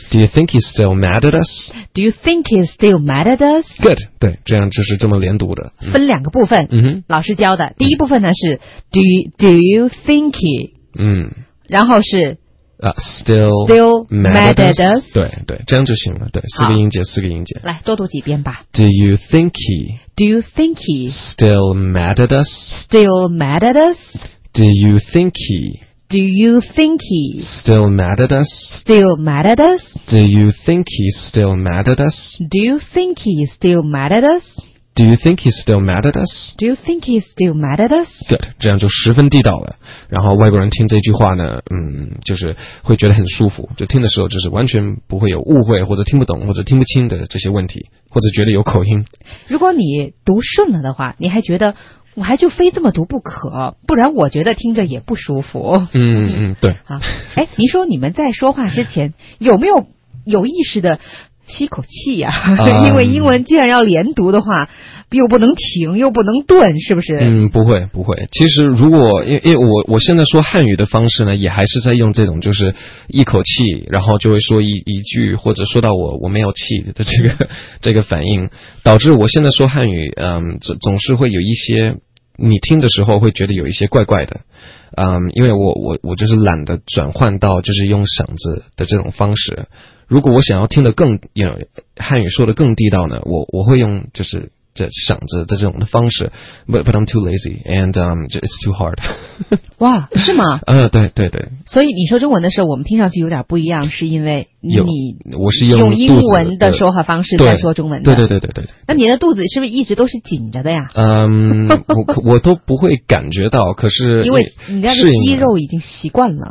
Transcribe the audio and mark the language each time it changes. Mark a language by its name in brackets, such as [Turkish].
[English] Do you think he's still mad at us? Do you think he's still mad at us? Good. [Chinese] 对，这样就是这么连读的。嗯，分两个部分。嗯哼。老师教的第一部分呢是 [English] Do you think he? [Chinese] 嗯。然后是 [English] still mad at us? [Chinese] 对对，这样就行了。对，四个音节，四个音节。来，多读几遍吧。 [English] Do you think he? Do you think he? Still mad at us? Still mad at us? Do you think he? Do you think he still mad at us? Still mad at us? Do you think he still mad at us? Do you think he still mad at us? Do you think he still mad at us? Do you think he still mad at us? Good, [Chinese] 这样就十分地道了。然后外国人听这句话呢，嗯，就是会觉得很舒服，就听的时候就是完全不会有误会或者听不懂或者听不清的这些问题，或者觉得有口音。如果你读顺了的话，你还觉得。我还就非这么读不可，不然我觉得听着也不舒服。嗯嗯，对。啊，哎，您说你们在说话之前有没有意识的吸口气呀，因为英文既然要连读的话，又不能停，又不能顿，是不是？嗯，不会不会。其实如果因为我现在说汉语的方式呢，也还是在用这种就是一口气，然后就会说一句，或者说到我没有气的这个反应，导致我现在说汉语，嗯，总是会有一些你听的时候会觉得有一些怪怪的。嗯，因为我就是懒得转换到就是用嗓子的这种方式。如果我想要听得更有 [English] you know, [Chinese] 汉语说得更地道呢，我会用就是这嗓子的这种的方式。 [English] But I'm too lazy and it's too hard. [Chinese] 哇，是吗？对对对。所以你说中文的时候我们听上去有点不一样，是因为你我是用英文的说话方式在说中文的。对对对对 对, 对。那你的肚子是不是一直都是紧着的呀？嗯，我都不会感觉到，可是因为你家的肌肉已经习惯了。